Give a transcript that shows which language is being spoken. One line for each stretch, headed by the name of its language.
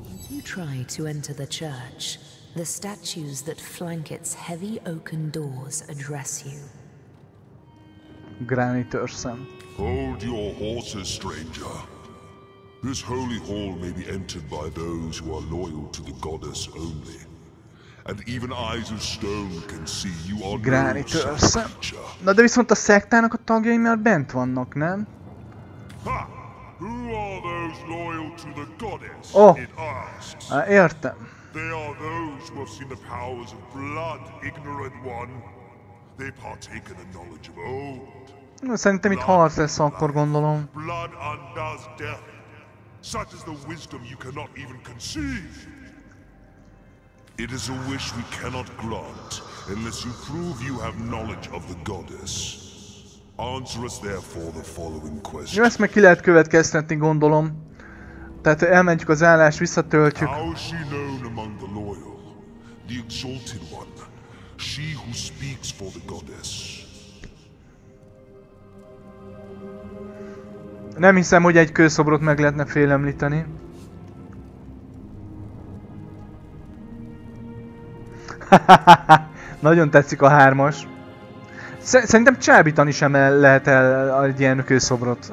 English: You try to enter the church. The statues that flank its heavy oaken doors address you. Granny Törsen. Hold your horses, stranger. This holy hall may be entered by those who are loyal to the goddess only. And even eyes of stone can see you are Granny Törsen.
Hungarian: Na de viszont a szektának a tagjai már bent vannak, nem? Ha!
English: Who are those loyal to the goddess?
Hungarian: Oh. Értem.
English: They are those who have seen the powers of blood, ignorant one. They've partaken the knowledge of old.
Hungarian: Szerintem itt harc lesz, akkor gondolom.
English: Blood undoes death. Such is the wisdom you cannot even conceive. It is a wish we cannot grant unless you prove you have knowledge of the goddess. Answer us therefore the following question.
Hungarian: Jó, ezt meg ki lehet következtetni, gondolom. Tehát elmentjük az állást, visszatöltjük.
English: How is she known among the loyal? The exalted one. She who speaks for the goddess.
Hungarian: Nem hiszem, hogy egy kőszobrot meg lehetne félemlíteni. Nagyon tetszik a hármas. Szerintem csábítani sem lehet el egy ilyen kőszobrot.